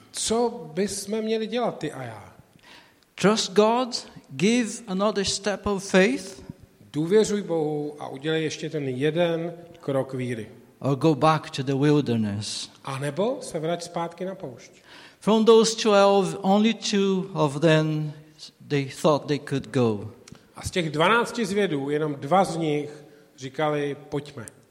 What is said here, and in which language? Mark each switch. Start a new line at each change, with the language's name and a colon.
Czech: Co bysme měli dělat ty a já?
English: Trust God, give another step of faith.
Czech: Důvěřuj Bohu a udělej ještě ten jeden krok víry.
English: Or go back to the wilderness.
Czech: A nebo se vrať zpátky na poušť.
English: From those 12, only two of them they thought they could go.
Czech: A z těch 12 zvědů jenom dva z nich říkali pojďme.